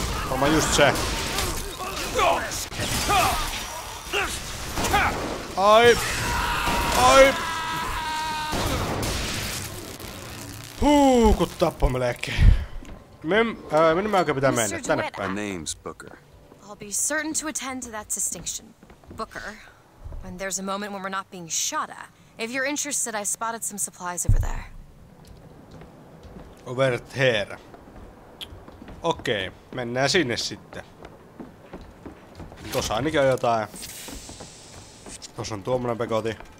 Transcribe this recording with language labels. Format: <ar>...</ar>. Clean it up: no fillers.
<fi>Varmaan just se. Ai! Ai! Huuu, kun tappoi melekki. Minun mä oikein pitää mennä tänne päin.</fi> <en>My name's Booker. I'll be certain to attend to that distinction. Booker. When there's a moment when we're not being shot at. If you're interested, I spotted some supplies over there. Over there.</en> <fi>Okei, mennään sinne sitten. Tossa ainakin on jotain. Tossa on tuommoinen pekoti.</fi>